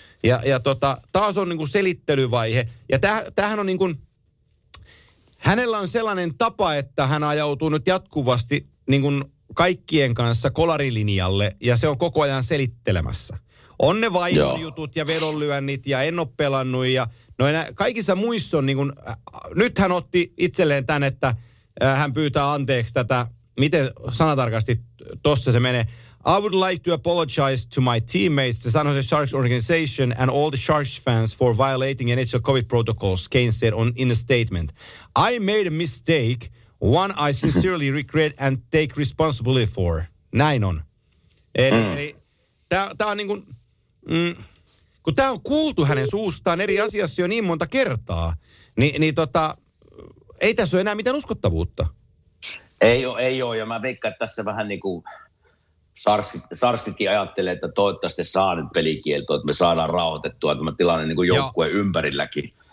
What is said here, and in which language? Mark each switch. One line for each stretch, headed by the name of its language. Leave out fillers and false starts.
Finnish: Ja taas on niinku selittelyvaihe. Ja tämähän on niinku, hänellä on sellainen tapa, että hän ajautuu nyt jatkuvasti niinku kaikkien kanssa kolarilinjalle. Ja se on koko ajan selittelemässä. On ne vaihdonjutut ja vedonlyönnit ja en ole pelannut. Ja kaikissa muissa on niinku, nyt hän otti itselleen tämän, että hän pyytää anteeksi tätä. Miten sanatarkasti tossa se menee?
English: I would like to apologize to my teammates, the San Jose Sharks organization and all the Sharks fans for violating NHL COVID protocols, Kane said in a statement. I made a mistake, one I sincerely regret and take responsibility for.
Finnish: Näin on. Tämä on niin kuin, kun tämä on kuultu hänen suustaan eri asiassa jo niin monta kertaa, niin ei tässä ole enää mitään uskottavuutta. Ei ole, ja mä veikkaan, että tässä vähän niin kuin Sarskikin ajattelee, että toivottavasti saa nyt pelikieltoa, että me saadaan rauhoitettua tämä tilanne niin kuin joukkueen ympärilläkin.